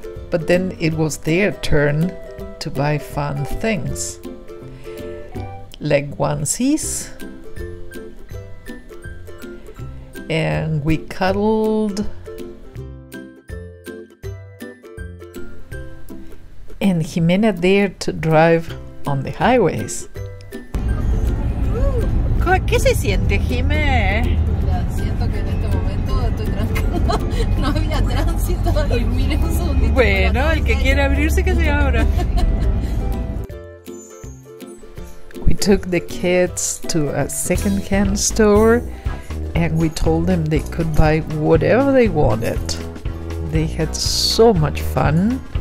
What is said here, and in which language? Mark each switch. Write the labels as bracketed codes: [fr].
[en] But then it was their turn to buy fun things, like onesies. And we cuddled. And Jimena dared to drive on the highways. [es] ¿Qué se siente, Jimé? Mira, siento que en este momento estoy tranquilo. No había tránsito y mire un segundito. Bueno, el que quiera abrirse que se abra. [en] We took the kids to a second-hand store and we told them they could buy whatever they wanted. They had so much fun.